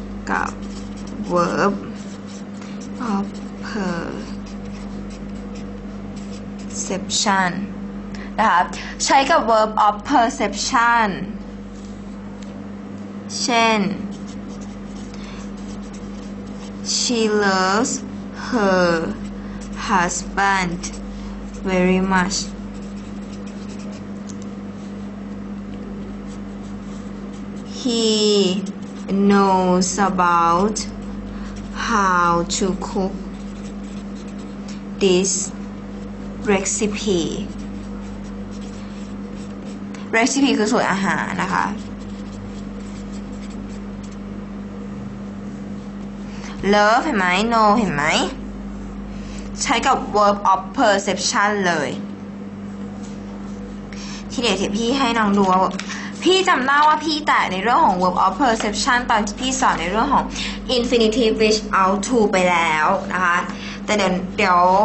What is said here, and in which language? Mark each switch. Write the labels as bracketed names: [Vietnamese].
[Thai] กับ verb of perception นะคะใช้กับ verb of perception เช่น [English] She loves her husband very much. He knows about how to cook this recipe. [Thai] Recipe คือสูตรอาหารนะคะlove เห็นไหม know เห็นไหมใช้กับ verb of perception เลยทีเดียวพี่ให้น้องดูพี่จำได้ว่าพี่แตะในเรื่องของ verb of perception ตอนที่พี่สอนในเรื่องของ infinitive [English] reach out to [Thai] ไปแล้วนะคะแต่เดี๋ยว